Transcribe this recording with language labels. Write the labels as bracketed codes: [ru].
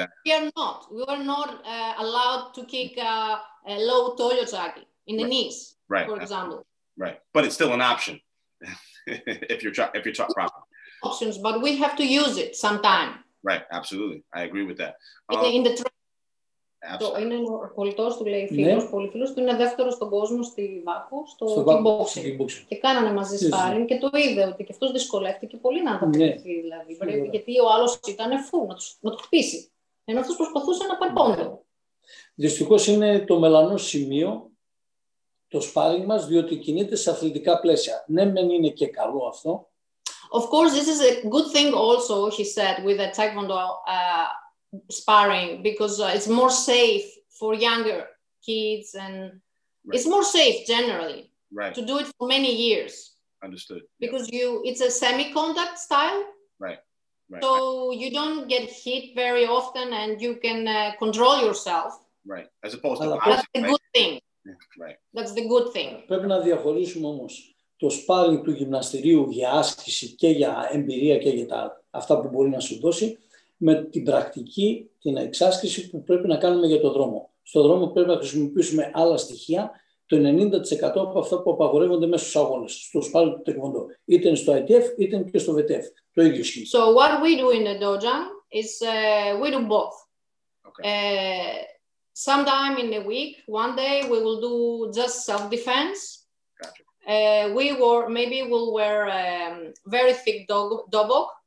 [en] We are not. We are not allowed to kick a low toyotaki in the knees, right. For example. Right. But it's still an option if you're proper. Options, but we have to use it sometime. Right. Absolutely. I agree with that. In the training. Absolutely. [el] Είναι ο κολλητός του, λέει, φίλος, πολύ φίλος του, είναι δεύτερος στον κόσμο στη Βάκο, στο kickboxing. Και κάνανε μαζί sparring και το είδε ότι και αυτός δυσκολεύτηκε πολύ να ανταποκριθεί, δηλαδή. Πρέπει, γιατί ο άλλος ήταν φού, να το χτυπήσει. Ενώ αυτός προσπαθούσε να πάρει πόντο. Δυστυχώς είναι το μελανό σημείο το sparring μας, διότι κινείται σε αθλητικά πλαίσια. Ναι, μεν είναι και καλό αυτό. [en] Of course, this is a good thing also, he said, with the Taekwondo sparring because it's more safe for younger kids and right. It's more safe generally right. to do it for many years. Understood. Because you, it's a semi-contact style. Right. Right. So you don't get hit very often and you can control yourself. Right. As opposed to boxing. That's the good thing. Right. That's the good thing. [el] Πρέπει να διαχωρίσουμε όμως το sparring του γυμναστηρίου για άσκηση και για εμπειρία και για τα, αυτά που μπορεί να σου δώσει με την πρακτική, την εξάσκηση που πρέπει να κάνουμε για το δρόμο. Στο δρόμο πρέπει να χρησιμοποιήσουμε άλλα στοιχεία, το 90% από αυτά που απαγορεύονται μέσα στους αγώνες, στο σπάρι του τεκβοντό, είτε στο ITF είτε και στο VTF. Το ίδιο ισχύει. [en] So what we do in the dojang is we do both. Okay. Sometime in the week, one day we will do just self-defense. Gotcha. We'll wear very thick dobok.